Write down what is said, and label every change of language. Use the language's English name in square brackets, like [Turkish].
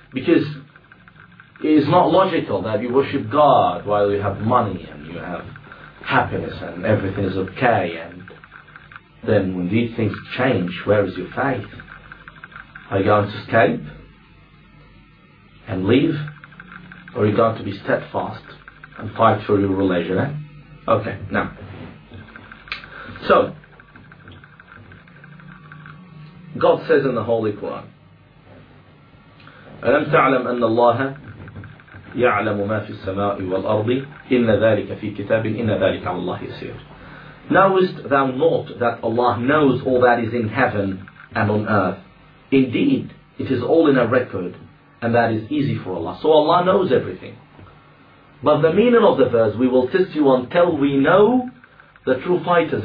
[English] Because it is not logical that you worship God while you have money and you have happiness and everything is okay and then when these things change, where is your faith? Are you going to escape and leave? Or are you going to be steadfast and fight for your religion? Okay, now. So, God says in the Holy Quran, [Arabic] أَلَمْ تَعْلَمْ أَنَّ اللَّهَ يَعْلَمُ مَا فِي السَّمَاءِ وَالْأَرْضِ إِنَّ ذَلِكَ فِي كِتَابٍ إِنَّ ذَلِكَ عَلَى اللَّهِ يَسِيرٌ. [English] Knowest thou not that Allah knows all that is in heaven and on earth? Indeed, it is all in a record, and that is easy for Allah. So Allah knows everything. But the meaning of the verse, we will test you until we know the true fighters.